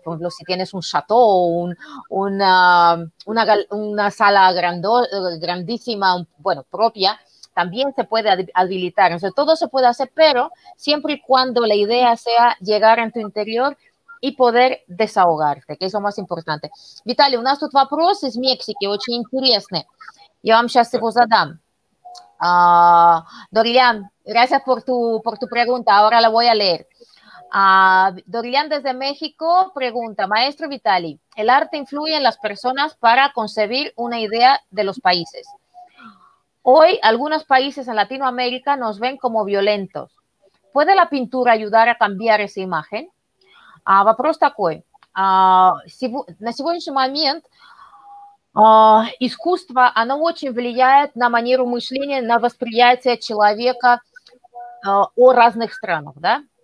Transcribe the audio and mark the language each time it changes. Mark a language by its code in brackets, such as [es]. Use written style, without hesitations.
[es] Si tienes un chateau, una sala grandísima, bueno, propia, también se puede habilitar. O sea, todo se puede hacer, pero siempre y cuando la idea sea llegar a tu interior y poder desahogarte, que es lo más importante. [ru] Vitaly, у нас тут вопрос из Мексики, очень интересный. Я вам сейчас его задам. [es] Дорилян, gracias por tu pregunta. Ahora la voy a leer. Dorilian desde México pregunta, maestro Vitaly, ¿el arte influye en las personas para concebir una idea de los países? Hoy algunos países en Latinoamérica nos ven como violentos. ¿Puede la pintura ayudar a cambiar esa imagen? [ru] Вопрос такой. На сегодняшний момент искусство, оно очень влияет на манеру мышления, на восприятие человека о разных странах. Да?